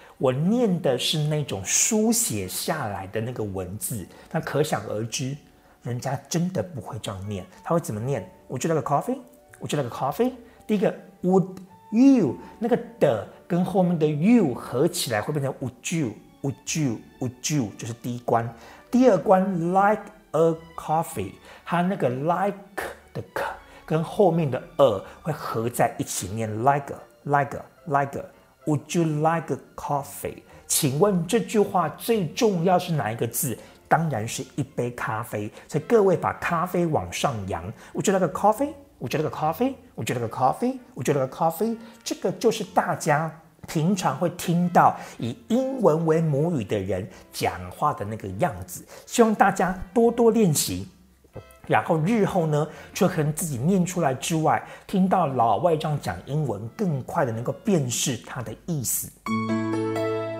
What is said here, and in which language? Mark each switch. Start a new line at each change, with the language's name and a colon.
Chinese: 我念的是那种书写下来的那个文字，那可想而知，人家真的不会这样念，他会怎么念 ？
English: Would you like a coffee?
Chinese: Would you like a coffee? 第一个 ，
English: Would you
Chinese: 那个的跟后面的 you 合起来会变成 Would you?
English: Would you? Would you?
Chinese: 就是第一关，第二关 like。
English: A coffee，
Chinese: 它那个 like 的 k 跟后面的 a 会合在一起念
English: like a, like a, like a。 Would you like a coffee？
Chinese: 请问这句话最重要是哪一个字？当然是一杯咖啡。所以各位把咖啡往上扬。
English: Would you like a coffee？ Would you like a coffee？ Would you like a coffee？ Would you like a coffee？
Chinese: 这个就是大家平常会听到以英文为母语的人讲话的那个样子，希望大家多多练习，然后日后呢，除了可能自己念出来之外，听到老外这样讲英文，更快的能够辨识他的意思。